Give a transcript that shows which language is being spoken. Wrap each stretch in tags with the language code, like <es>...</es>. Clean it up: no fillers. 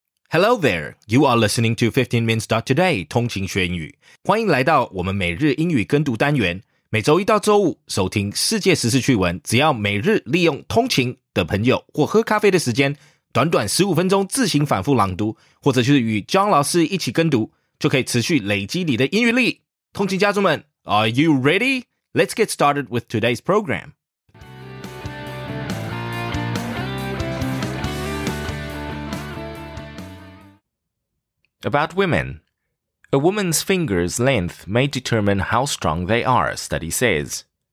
<en>Hello there, you are listening to 15minutes.today,</en> <zh>通勤学英语。欢迎来到我们每日英语跟读单元，每周一到周五，收听世界时事趣闻，只要每日利用通勤的朋友或喝咖啡的时间，短短15分钟自行反复朗读，或者就是与 John 老师一起跟读，就可以持续累积你的英语力。通勤家族们</zh> <en>,Are you ready? Let's get started with today's program. About women. A woman's finger's length may determine how strong they are, study says.</en>